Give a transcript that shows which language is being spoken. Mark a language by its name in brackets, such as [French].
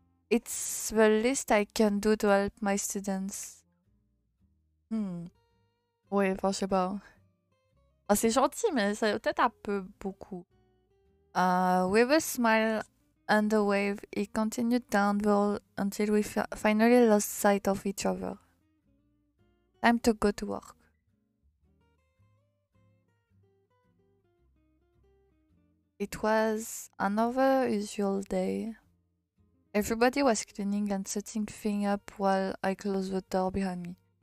[English] It's the least I can do to help my students. [French] Ouais, enfin, je sais pas. Ah, c'est gentil, mais c'est peut-être un peu beaucoup. [English] With a smile and a wave, he continued down the hall until we finally lost sight of each other. Time to go to work. It was another usual day. Everybody was cleaning and setting things up while I closed the door behind me.